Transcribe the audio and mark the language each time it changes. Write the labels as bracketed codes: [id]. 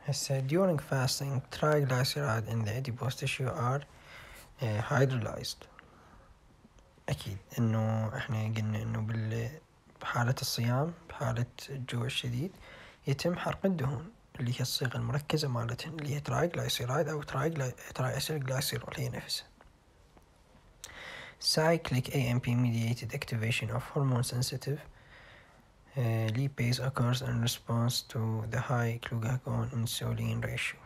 [en] I said during fasting, triglyceride in the adipose tissue are hydrolyzed. [ar] أكيد إنه إحنا قلنا إنه بحالة الصيام بحالة الجوع الشديد يتم حرق الدهون اللي هي الصيغة المركزة مالتهن اللي هي تريجلايسيرايد أو تريأسيلجلايسيرول اللي هي نفسها. [en] Cyclic AMP mediated activation of hormone sensitive lipase occurs in response to the high glucagon insulin ratio.